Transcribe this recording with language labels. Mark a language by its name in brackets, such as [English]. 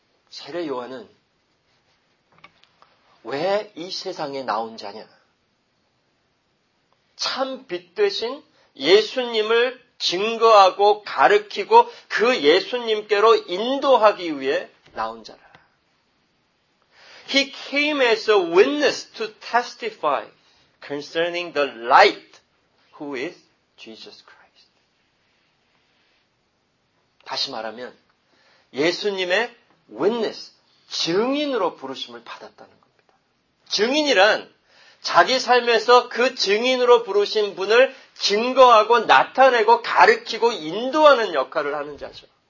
[Korean] 세례 요한은 왜 이 세상에 나온 자냐? 참 빛 되신 예수님을 증거하고 가르치고 그 예수님께로 인도하기 위해 나온 자라. [English] He came as a witness to testify concerning the light who is Jesus Christ. [Korean] 다시 말하면 예수님의 witness, 증인으로 부르심을 받았다는 겁니다. 증인이란 자기 삶에서 그 증인으로 부르신 분을 증거하고 나타내고 가르치고 인도하는 역할을 하는 자죠.